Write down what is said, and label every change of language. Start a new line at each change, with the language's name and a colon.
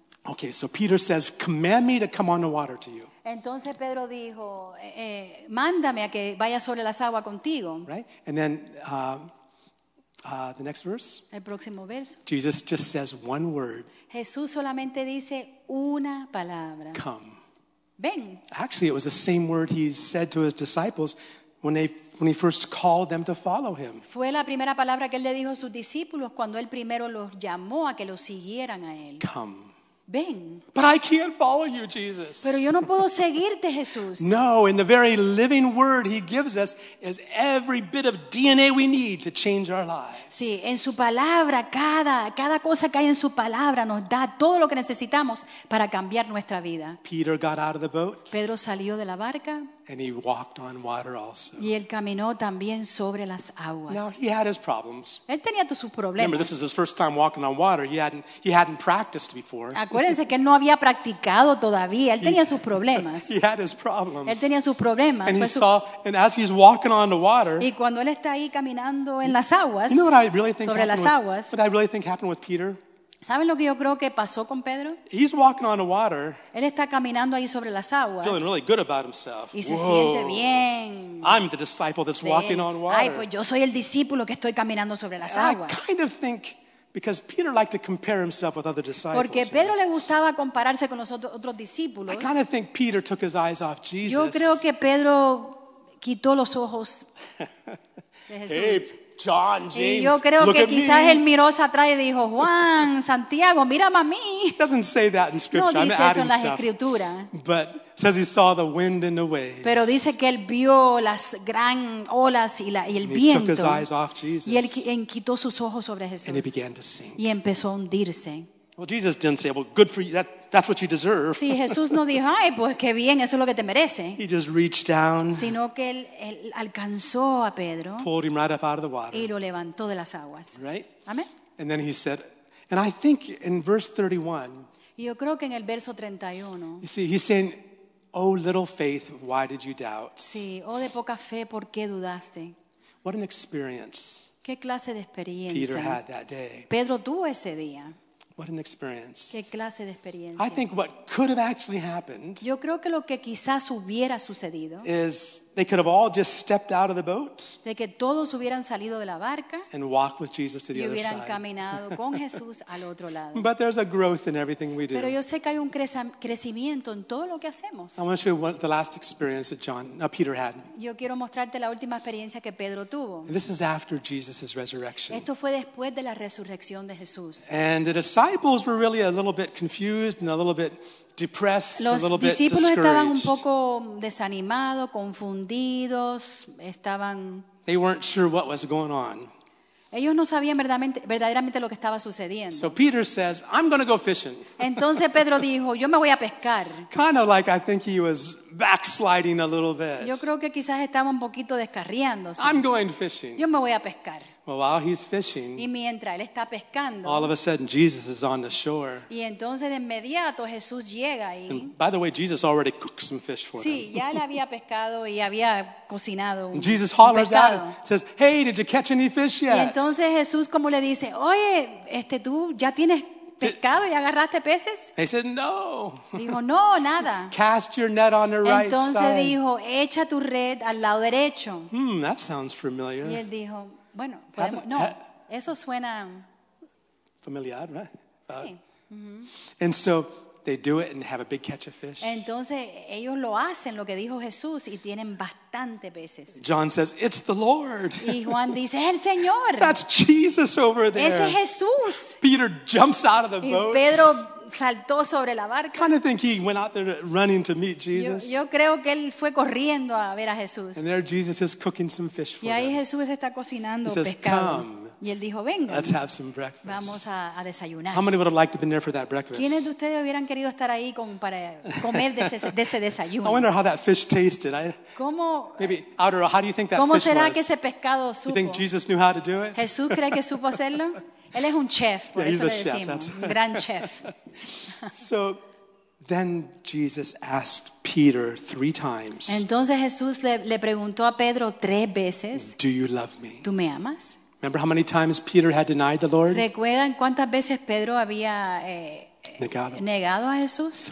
English: Okay, so Peter says, command me to come on the water to you.
Spanish: Entonces Pedro dijo, mándame a que vaya sobre las aguas contigo.
English: Right? And then the next verse.
Spanish: El próximo verso.
English: Jesus just says one word.
Spanish: Jesús solamente dice una palabra.
English: Come.
Spanish: Ven.
English: Actually, it was the same word he said to his disciples when he first called them to follow him.
Spanish: Fue la primera palabra que él le dijo a sus discípulos cuando él primero los llamó a que lo siguieran a él.
English: Come.
Spanish: Ven.
English: But I can't follow you, Jesus.
Spanish: Pero yo no puedo seguirte, Jesús.
English: No, in the very living word he gives us is every bit of DNA we need to change our lives.
Spanish: Sí, en su palabra, cada cosa que hay en su palabra nos da todo lo que necesitamos para cambiar nuestra vida.
English: Peter got out of the boat.
Spanish: Pedro salió de la barca.
English: And he walked on water also.
Spanish: Y él caminó también sobre las aguas.
English: Now he had his problems.
Spanish: Él tenía todos sus problemas.
English: Remember, this was his first time walking on water. He hadn't practiced before.
Spanish: Acuérdense que él no había practicado todavía. Él tenía sus problemas.
English: He had his problems.
Spanish: Él tenía sus problemas.
English: And and as he's walking on the water.
Spanish: Y cuando él está ahí caminando en las aguas.
English: You know what I really think
Spanish: sobre las aguas.
English: What I really think happened with Peter.
Spanish: ¿Saben lo que yo creo que pasó con Pedro?
English: He's walking on the water.
Spanish: Él está caminando ahí sobre las aguas.
English: Feeling really good about himself.
Spanish: Y se siente bien.
English: I'm the disciple that's walking on water.
Spanish: Ay, pues yo soy el discípulo que estoy caminando sobre las aguas.
English: I kind of think Because Peter liked to compare himself with other disciples.
Spanish: Porque Pedro le gustaba compararse con los otros discípulos.
English: I kind of think Peter took his eyes off Jesus.
Spanish: Yo creo que Pedro quitó los ojos de Jesús.
English: Hey, John, James,
Spanish: y yo creo
English: look
Spanish: que quizás él miró atrás y dijo, Juan, Santiago, mírame a mí.
English: Doesn't say that in scripture.
Spanish: No dice eso en las escrituras.
English: But says he saw the wind and the waves.
Spanish: Pero dice que él vio las gran olas y, la, y el
English: and
Spanish: viento.
English: He took his eyes off Jesus.
Spanish: Y él quitó sus ojos sobre Jesús.
English: And he began to sink.
Spanish: Y empezó a hundirse.
English: Well, Jesus didn't say, well, good for you. That's what you deserve.
Spanish: Sí, Jesús no dijo, ay, pues qué bien, eso es lo que te merece.
English: He just reached down.
Spanish: Sino que él alcanzó a Pedro.
English: Pulled him right up out of the water.
Spanish: Y lo levantó de las aguas.
English: Right? Amen. And then he said, and I think in verse 31.
Spanish: Yo creo que en el verso 31.
English: You see, he's saying, oh, little faith, why did you doubt?
Spanish: Sí, oh, de poca fe, ¿por qué dudaste?
English: What an experience.
Spanish: ¿Qué clase de experiencia
English: Peter had that day.
Spanish: Pedro tuvo ese día.
English: What an experience.
Spanish: ¿Qué clase de experiencia?
English: I think what could have actually happened
Spanish: yo creo que lo que quizás hubiera sucedido
English: is they could have all just stepped out of the boat
Spanish: de que todos hubieran salido de la barca
English: and walked with Jesus to the
Spanish: y
English: other
Spanish: hubieran
English: side.
Spanish: Caminado con Jesús al otro lado.
English: But there's a growth in everything we do.
Spanish: Pero yo sé que hay un crecimiento en todo lo que hacemos.
English: I want to show you what the last experience that Peter had.
Spanish: Yo quiero mostrarte la última experiencia que Pedro tuvo.
English: And this is after Jesus' resurrection.
Spanish: Esto fue después de la resurrección de Jesús.
English: And the disciples were really a little bit confused and a little bit depressed,
Spanish: los
English: a little bit discouraged.
Spanish: Los discípulos estaban un poco desanimados, confundidos, estaban...
English: They weren't sure what was going on.
Spanish: Ellos no sabían verdaderamente lo que estaba sucediendo.
English: So Peter says, I'm going to go fishing.
Spanish: Entonces Pedro dijo, yo me voy a pescar.
English: Kind of like I think he was backsliding a little bit.
Spanish: Yo creo que quizás estaba un poquito descarriándose.
English: I'm going fishing.
Spanish: Yo me voy a pescar.
English: Well, while he's fishing,
Spanish: y mientras él está pescando,
English: all of a sudden Jesus is on the shore.
Spanish: Y entonces de inmediato Jesús llega ahí.
English: And by the way, Jesus already cooked some fish for
Spanish: sí, Sí, ya él había pescado y había cocinado un
English: Jesus hollers
Spanish: pescado.
English: Out, says, "Hey, did you catch any fish yet?"
Spanish: Y entonces Jesús como le dice, "Oye, tú ya tienes pescado y agarraste peces?"
English: He said, "No."
Spanish: Dijo, "No, nada."
English: Cast your net on the right side.
Spanish: Entonces dijo, "Echa tu red al lado derecho."
English: That sounds familiar.
Spanish: Y él dijo, bueno, podemos, no, eso suena familiar, ¿verdad?
English: Right? Sí. And so they do it and have a big catch of fish.
Spanish: Entonces ellos lo hacen, lo que dijo Jesús, y tienen bastante peces.
English: John says, "It's the Lord."
Spanish: Y Juan dice, "Es el Señor."
English: That's Jesus over there.
Spanish: Ese es Jesús.
English: Peter jumps out of the boat.
Spanish: Y Pedro saltó sobre la barca.
English: Kind of think he went out there running to meet Jesus.
Spanish: Yo creo que él fue corriendo a ver a Jesús.
English: And there Jesus is cooking some fish for
Spanish: him. Y ahí
English: them.
Spanish: Jesús está cocinando
English: he says,
Spanish: pescado.
English: Come.
Spanish: Y él dijo, venga.
English: Let's have some breakfast.
Spanish: Vamos a desayunar.
English: How many would have liked to have been there for that breakfast?
Spanish: ¿Quiénes de ustedes hubieran querido estar ahí como para comer de ese desayuno?
English: I wonder how that fish tasted.
Spanish: ¿Cómo?
English: Maybe outer. How do you think that
Spanish: ¿cómo
English: fish
Spanish: será
English: was?
Spanish: Que ese pescado supo?
English: You think Jesus knew how to do it?
Spanish: Jesús cree que supo hacerlo. Él es un chef, por
English: yeah,
Spanish: eso le
English: chef,
Spanish: decimos,
English: right.
Spanish: Un gran chef.
English: So, then Jesus asked Peter three times.
Spanish: Entonces Jesús le preguntó a Pedro tres veces.
English: Do you love me?
Spanish: ¿Tú me amas?
English: Remember how many times Peter had denied the Lord?
Spanish: ¿Recuerdan cuántas veces Pedro había negado a Jesús?